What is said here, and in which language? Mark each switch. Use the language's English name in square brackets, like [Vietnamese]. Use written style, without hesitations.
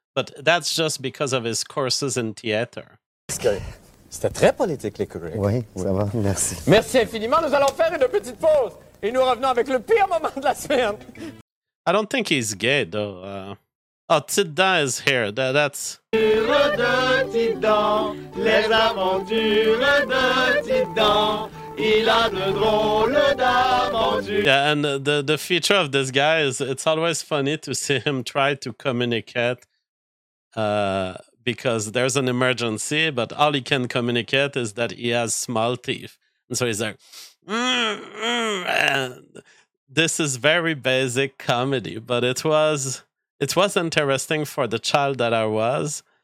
[English] But that's just because of his courses in theater. [French] C'était très politique, les correct. Oui, ça va, merci. Merci infiniment, nous allons faire une petite pause. Et nous revenons avec le pire moment de la semaine. [English] I don't think he's gay, though. Oh, Tidan is here. That's... [French] Les aventures de Tidan. Il a de drôles d'aventures. [English] Yeah, and the feature of this guy is it's always funny to see him try to communicate because there's an emergency, but all he can communicate is that he has small teeth. And so he's like... And this is very basic comedy, but it was interesting for the child that I was.